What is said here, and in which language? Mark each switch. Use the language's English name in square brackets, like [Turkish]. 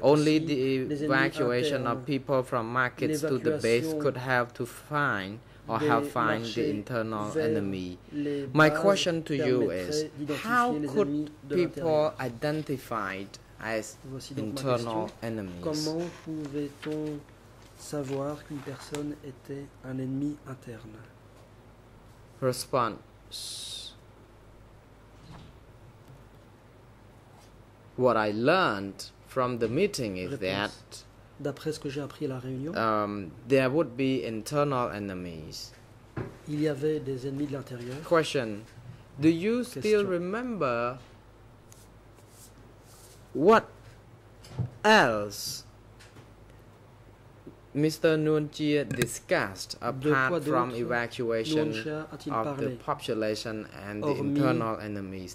[English] only the evacuation of people from markets to the base could have to find or have find the internal enemy. My question to you is, how could people identified as internal enemies? [French] Comment pouvait-on savoir qu'une personne était un ennemi interne? [English] response. What I learned from the meeting is that, [French] d'après ce que j'ai appris à la réunion, [English] there would be internal enemies. [French] Il y avait des ennemis de l'intérieur. [English] Question: do you still remember what else Mr. Nguyen Chia discussed apart from evacuation of the population and the internal enemies?